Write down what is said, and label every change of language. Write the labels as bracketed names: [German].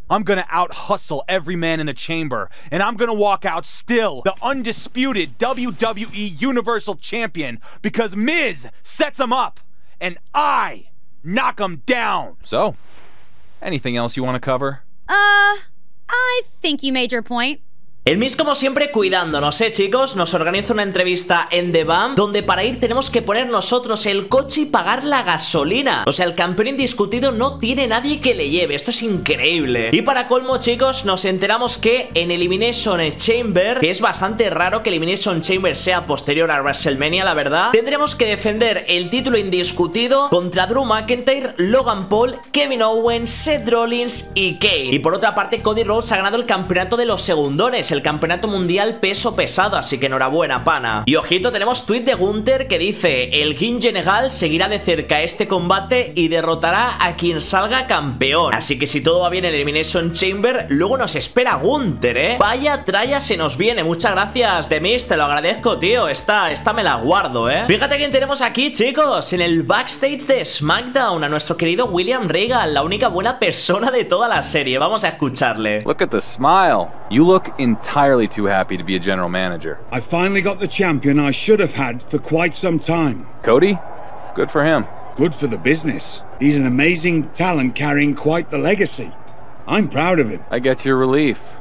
[English] I'm gonna out-hustle every man in the chamber, and I'm gonna walk out still the undisputed WWE Universal Champion because Miz sets him up, and I knock him down! So, anything else you want to cover? I think you made your point. [Spanish] El Miz, como siempre, cuidándonos, chicos. Nos organiza una entrevista en The Bump, donde para ir tenemos que poner nosotros el coche y pagar la gasolina. O sea, el campeón indiscutido no tiene nadie que le lleve. Esto es increíble. Y para colmo, chicos, nos enteramos que en Elimination Chamber, que es bastante raro que Elimination Chamber sea posterior a WrestleMania, la verdad, tendremos que defender el título indiscutido contra Drew McIntyre, Logan Paul, Kevin Owens, Seth Rollins y Kane. Y por otra parte, Cody Rhodes ha ganado el campeonato de los segundones, el campeonato mundial peso pesado, así que enhorabuena, pana. Y ojito, tenemos tweet de Gunther que dice: el King General seguirá de cerca este combate y derrotará a quien salga campeón. Así que si todo va bien en Elimination Chamber, luego nos espera Gunther, ¿eh? Vaya traya se nos viene. Muchas gracias, The Miz, te lo agradezco, tío. Esta me la guardo, ¿eh? Fíjate quién tenemos aquí, chicos, en el backstage de SmackDown, a nuestro querido William Regal, la única buena persona de toda la serie. Vamos a escucharle. [English] Look at the smile. You look entirely too happy to be a general manager. I finally got the champion I should have had for quite some time. Cody? Good for him. Good for the business. He's an amazing talent carrying quite the legacy. I'm proud of him. I get your relief.